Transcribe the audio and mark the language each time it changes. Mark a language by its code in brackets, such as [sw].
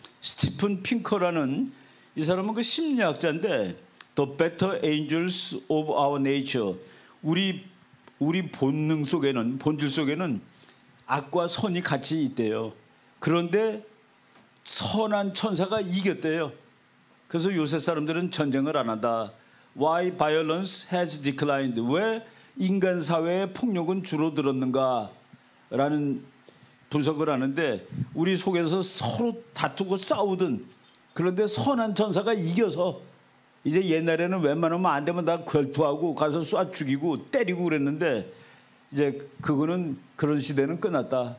[ko] 스티븐 핑커라는 이 사람은 그 심리학자인데, The Better Angels of Our Nature. 우리 본능 속에는, 본질 속에는 악과 선이 같이 있대요. 그런데 선한 천사가 이겼대요. 그래서 요새 사람들은 전쟁을 안 한다. [en] Why violence has declined? [ko] 왜 인간 사회의 폭력은 줄어들었는가? 라는 분석을 하는데, 우리 속에서 서로 다투고 싸우든, 그런데 선한 천사가 이겨서, 이제 옛날에는 웬만하면 안 되면 다 결투하고 가서 쏴 죽이고 때리고 그랬는데, 이제 그거는 그런 시대는 끝났다.